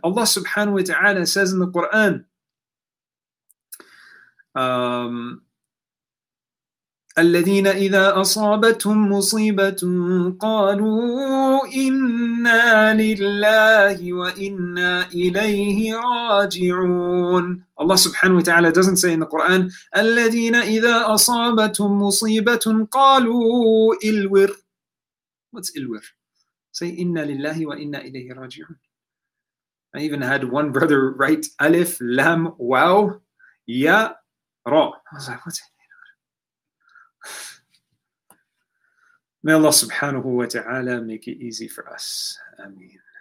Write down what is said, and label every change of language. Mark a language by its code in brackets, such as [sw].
[en] Allah subhanahu wa ta'ala says in the Quran, [ar] الذين إذا أصابتهم مصيبة قالوا إنا لله وإنا إليه راجعون. [en] Allah subhanahu wa ta'ala doesn't say in the Quran, [ar] الذين إذا أصابتهم مصيبة قالوا إلور. [en] What's إلور? Say [ar] إنا لله وإنا إليه راجعون. [en] I even had one brother write [ar] ألف لام واو يا [en] Ra. I was like, what's it? May Allah subhanahu wa ta'ala make it easy for us. Ameen.